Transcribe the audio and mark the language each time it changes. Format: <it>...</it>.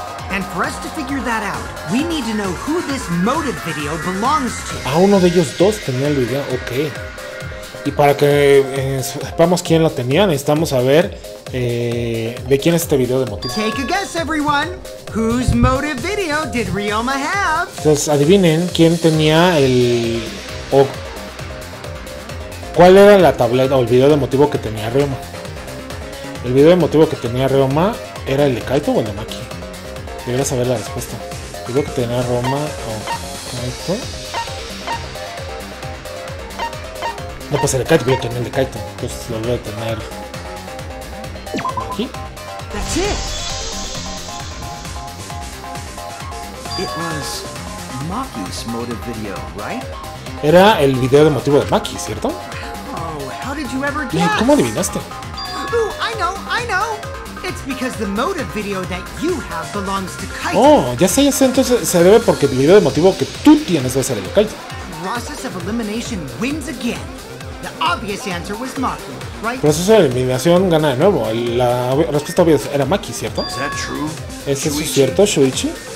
<en>And for us to figure that out, we need to know who this motive video belongs to.</en> <es>A uno de ellos dos tenía el video, okay. Y para que sepamos quién lo tenía, necesitamos saber de quién es este video de motivo.</es> <en>Take a guess, everyone. Whose motive video did Ryoma have?</en> <es>Entonces adivinen quién tenía el o cuál era la tableta o el video de motivo que tenía Ryoma. El video de motivo que tenía Ryoma era el de Kaito o el de Maki. Debería saber la respuesta. Creo que tenía Roma o Kaito. No, pues el de Kaito, voy a tener el de Kaito. Entonces lo voy a tener aquí.</es> <en>That's it. It was Maki's motive video, right?</en> <es>Era el video de motivo de Maki, ¿cierto?</es> <en>Oh, how did you ever guess?</en> <es>¿Cómo adivinaste?</es> <en>Ooh, I know. It's because the motive video that you have belongs to Kaito.</en> <es>Oh, ya sé, entonces se debe porque el video de motivo que tú tienes va a ser el de Kaito.</es> <en>Process of elimination wins again. The obvious answer was Maki, right?</en> <es>Proceso de eliminación gana de nuevo. La respuesta obvia era Maki, ¿cierto?</es> <en>Is that true?</en> <es>¿Es eso Shuichi? ¿Cierto, Shuichi?</es>